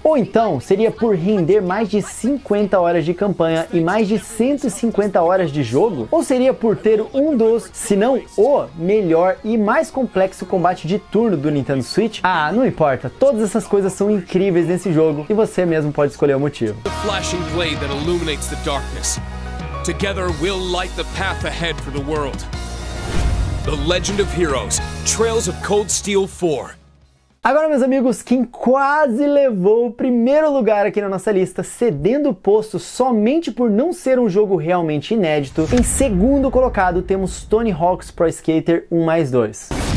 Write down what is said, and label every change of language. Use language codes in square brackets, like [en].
[pt] Ou então, seria por render mais de 50 horas de campanha e mais de 150 horas de jogo? Ou seria por ter um dos, se não o, melhor e mais complexo combate de turno do Nintendo Switch? Ah, não importa, todas essas coisas são incríveis nesse jogo e você mesmo pode escolher o motivo. [en] The flashing blade that illuminates the darkness. Together we'll light the path ahead for the world. The Legend of Heroes, Trails of Cold Steel 4. [pt] Agora, meus amigos, quem quase levou o primeiro lugar aqui na nossa lista, cedendo o posto somente por não ser um jogo realmente inédito, em segundo colocado temos Tony Hawk's Pro Skater 1 mais 2.